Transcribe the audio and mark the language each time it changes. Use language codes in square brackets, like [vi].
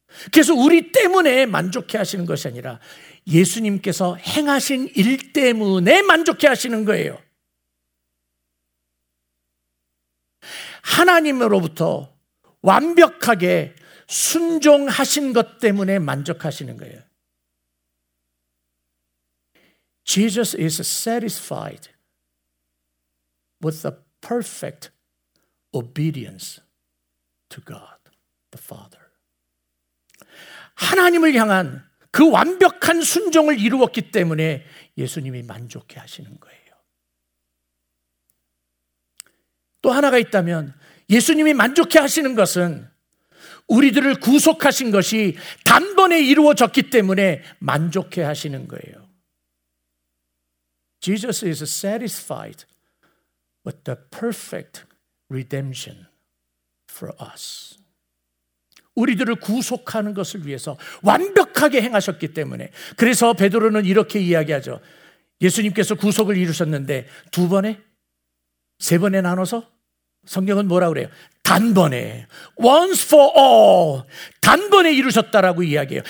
[ko] 그래서 우리 때문에 만족해 하시는 것이 아니라 예수님께서 행하신 일 때문에 만족해 하시는 거예요. 하나님으로부터 완벽하게 순종하신 것 때문에 만족하시는 거예요. [en] Jesus is satisfied with the perfect obedience to God the Father. [ko] 하나님을 향한 그 완벽한 순종을 이루었기 때문에 예수님이 만족해 하시는 거예요. 또 하나가 있다면 예수님이 만족해 하시는 것은 우리들을 구속하신 것이 단번에 이루어졌기 때문에 만족해 하시는 거예요. [en] Jesus is satisfied but the perfect redemption for us. [ko] 우리들을 구속하는 것을 위해서 완벽하게 행하셨기 때문에 그래서 베드로는 이렇게 이야기하죠. 예수님께서 구속을 이루셨는데 두 번에? 세 번에 나눠서? 성경은 뭐라고 그래요? 단번에, [en] once for all, [ko] 단번에 이루셨다라고 이야기해요.